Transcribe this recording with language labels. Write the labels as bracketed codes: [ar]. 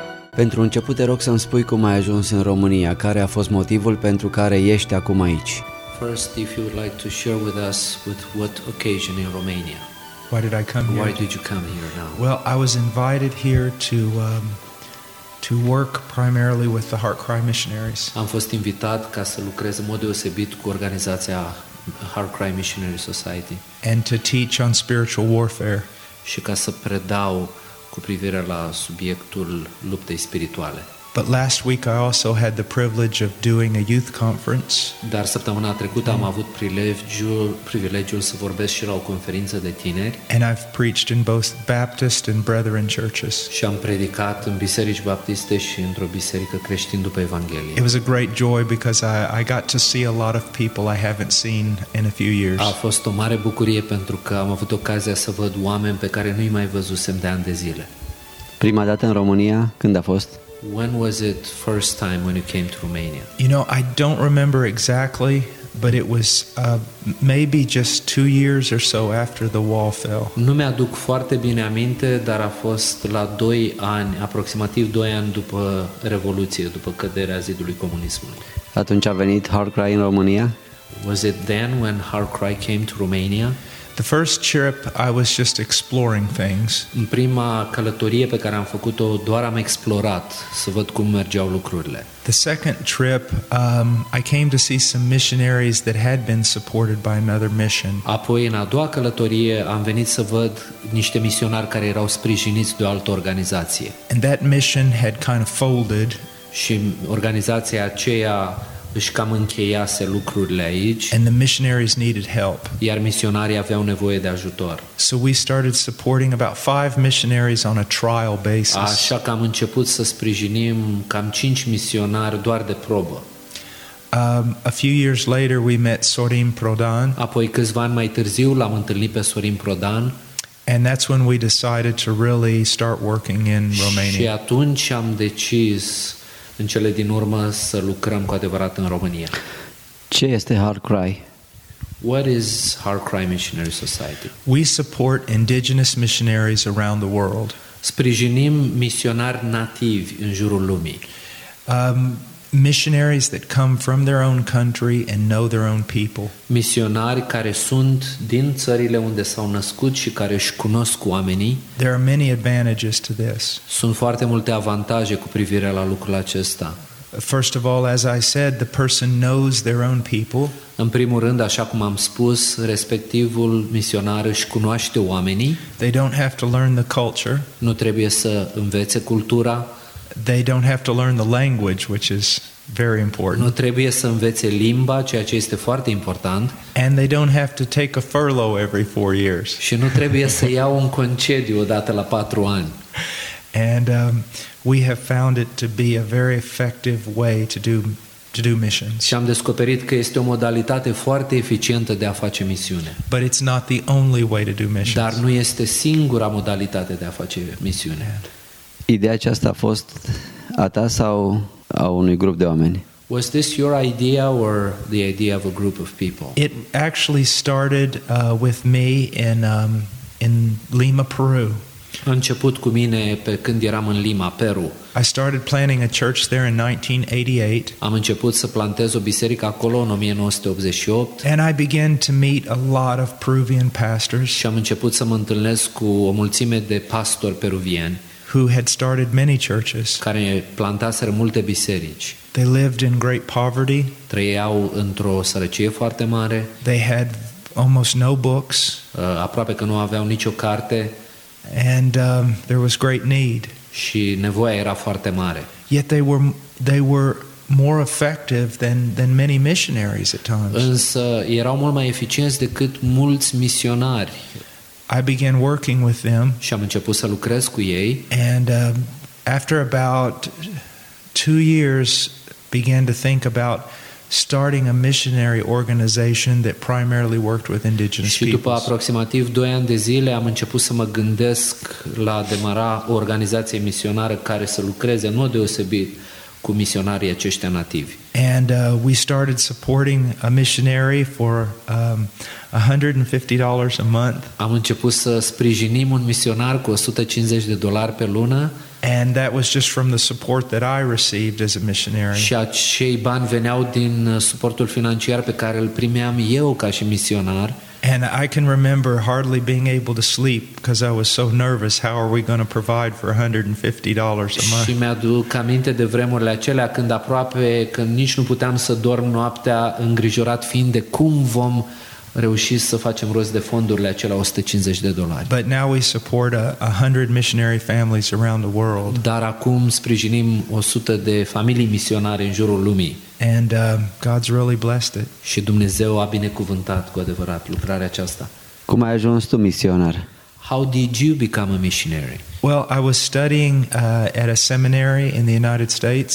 [ro] Pentru început, te rog să-mi spui cum ai ajuns în România, care a fost motivul pentru care ești acum aici. [en] First, if you would like to share with us with what occasion in Romania. Why did I come here? Why did you come here now? Well, I was invited here to work primarily with the Heartcry Missionaries. [ro] Am fost invitat ca să lucrez în mod deosebit cu organizația Heartcry Missionary Society. [en] And to teach on spiritual warfare. [ro] Și ca să predau cu privire la subiectul luptei spirituale. [en] But last week I also had the privilege of doing a youth conference. [ro] Dar săptămâna trecută am avut privilegiul să vorbesc și la o conferință de tineri. [en] And I've preached in both Baptist and Brethren churches. [ro] Și am predicat în biserici baptiste și într-o biserică creștin după Evanghelie. [en] It was a great joy because I got to see a lot of people I haven't seen in a few years. [ro] A fost o mare bucurie pentru că am avut ocazia să văd oameni pe care nu-i mai văzusem de ani de zile. Prima dată în România, când a fost? [en] When was it first time when you came to Romania? You know, I don't remember exactly, but it was maybe just 2 years or so after the wall fell. [ro] Nu mi-aduc foarte bine aminte, dar a fost la 2 ani, aproximativ 2 ani după revoluție, după căderea zidului comunismului. Atunci a venit Hardcry în România? [en] Was it then when Hardcry came to Romania? The first trip I was just exploring things. [ro] În prima călătorie pe care am făcut-o, doar am explorat să văd cum mergeau lucrurile. [en] The second trip, I came to see some missionaries that had been supported by another mission. [ro] Apoi în a doua călătorie am venit să văd niște misionari care erau sprijiniți de o altă organizație. [en] And that mission had kind of folded. [ro] Și organizația aceea își cam încheiase lucrurile aici. [en] And the missionaries needed help. [ro] Iar misionarii aveau nevoie de ajutor. [en] So we started supporting about 5 missionaries on a trial basis. [ro] Așa că am început să sprijinim cam 5 misionari doar de probă. [en] A few years later we met Sorin Prodan. [ro] Apoi câțiva ani mai târziu l-am întâlnit pe Sorin Prodan. [en] And that's when we decided to really start working in Romania. [ro] Și atunci am decis în cele din urmă să lucrăm cu adevărat în România. Ce este Hardcry? [en] What is Hardcry Missionary Society? We support indigenous missionaries around the world. [ro] Sprijinim misionari nativi în jurul lumii. [en] Missionaries that come from their own country and know their own people. [ro] Misionari care sunt din țările unde s-au născut și care își cunosc oamenii. [en] There are many advantages to this. [ro] Sunt foarte multe avantaje cu privire la lucrul acesta. [en] First of all, as I said, the person knows their own people. [ro] În primul rând, așa cum am spus, respectivul misionar își cunoaște oamenii. [en] They don't have to learn the culture. [ro] Nu trebuie să învețe cultura. [en] They don't have to learn the language, which is Very important. [ro] Nu trebuie să învețe limba, ceea ce este foarte important. [en] And they don't have to take a furlough every 4 years. [ro] Și nu trebuie să iau un concediu odată la 4 ani. [en] And we have found it to be a very effective way to do missions. [ro] Și am descoperit că este o modalitate foarte eficientă de a face misiune. [en] But it's not the only way to do missions. [ro] Dar nu este singura modalitate de a face misiune. Ideea aceasta a fost a ta sau a unui grup de oameni? [en] Was this your idea or the idea of a group of people? It actually started with me in Lima, Peru. [ro] A început cu mine pe când eram în Lima, Peru. [en] I started planting a church there in 1988. [ro] Am început să plantez o biserică acolo în 1988. [en] And I began to meet a lot of Peruvian pastors. [ro] Și am început să mă întâlnesc cu o mulțime de pastori peruvieni. [en] Who had started many churches. [ro] Care plantaseră multe biserici. [en] They lived in great poverty. [ro] Trăiau într-o sărăcie foarte mare. [en] They had almost no books. [ro] Aproape că nu aveau nicio carte. [en] And there was great need. [ro] Și nevoia era foarte mare. [en] Yet they were more effective than many missionaries at times. [ro] Însă erau mult mai eficienți decât mulți misionari. [en] I began working with them. [ro] Și am început să lucrez cu ei. [en] And after about 2 years, began to think about starting a missionary organization that primarily worked with indigenous people. [ro] Și după aproximativ 2 ani de zile am început să mă gândesc la demara o organizație misionară care să lucreze în mod deosebit cu misionarii aceștia nativi. [en] And we started supporting a missionary for $150 a month. [ro] Am început să sprijinim un misionar cu $150 pe lună. [en] And that was just from the support that I received as a missionary. [ro] Și acei bani veneau din suportul financiar pe care îl primeam eu ca și misionar. [en] And I can remember hardly being able to sleep because I was so nervous. How are we going to provide for $150 a month? [ro] Și mi-aduc aminte de vremurile acelea când aproape că nici nu puteam să dorm noaptea îngrijorat fiind de cum vom reuși să facem rost de fondurile acelea $150. [en] But now we support 100 missionary families around the world. [ro] Dar acum sprijinim 100 de familii misionare în jurul lumii. [en] And God's really blessed it. [ro] Și Dumnezeu a binecuvântat cu adevărat lucrarea aceasta. Cum ai ajuns tu misionar? [en] How did you become a missionary? Well, I was studying at a seminary in the United States.